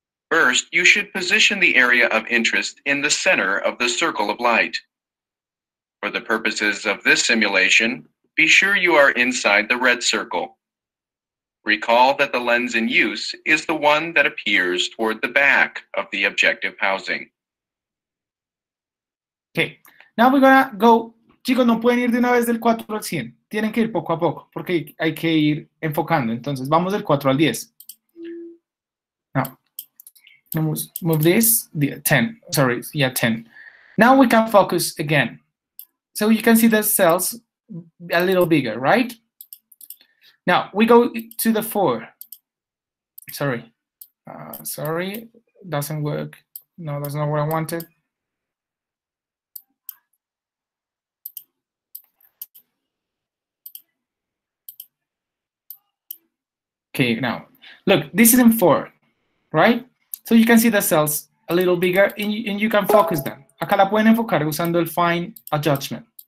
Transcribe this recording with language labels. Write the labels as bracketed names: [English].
[English] First, you should position the area of interest in the center of the circle of light. For the purposes of this simulation, be sure you are inside the red circle. Recall that the lens in use is the one that appears toward the back of the objective housing. Okay, now we're gonna go. [Spanish] Chicos, no pueden ir de una vez del 4 al 100. Tienen que ir poco a poco, porque hay que ir enfocando. Entonces, vamos del 4 al 10. [English] Now, move this, 10, sorry, yeah, 10. Now we can focus again. So you can see the cells a little bigger, right? Now, we go to the 4. Sorry, doesn't work. No, that's not what I wanted. Okay, now, look, this is in 4, right? So you can see the cells a little bigger, and you can focus them. [Spanish] Acá la pueden enfocar usando el fine adjustment.